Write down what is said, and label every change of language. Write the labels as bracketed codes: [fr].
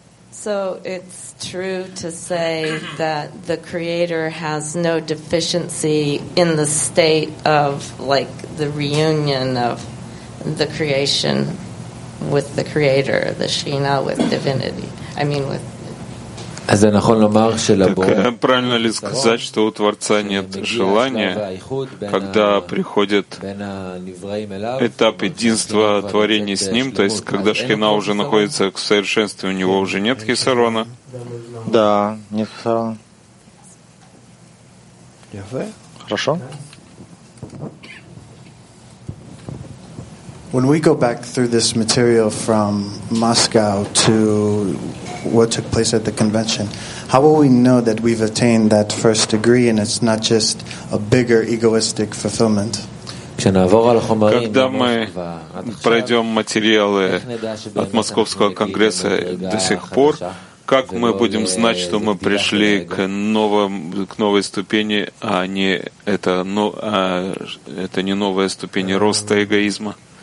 [en] So it's true to say that the Creator has no deficiency in the state of, like, the reunion of the creation with the Creator, the Shina with divinity. I mean, with... [ru] Так, правильно ли сказать, что у Творца нет желания, когда приходит этап единства творения с Ним, то есть когда Шхина уже находится к совершенству, у него уже нет хисарона? Да, нет хисарона. Хорошо. [en] When we go back through this material from Moscow to what took place at the convention, how will we know that we've attained that first degree and it's not just a bigger egoistic fulfillment? [ru] Когда мы пройдем материалы от Московского конгресса до сих пор, как мы будем знать, что мы пришли к новой ступени, а это не новая ступень роста эгоизма?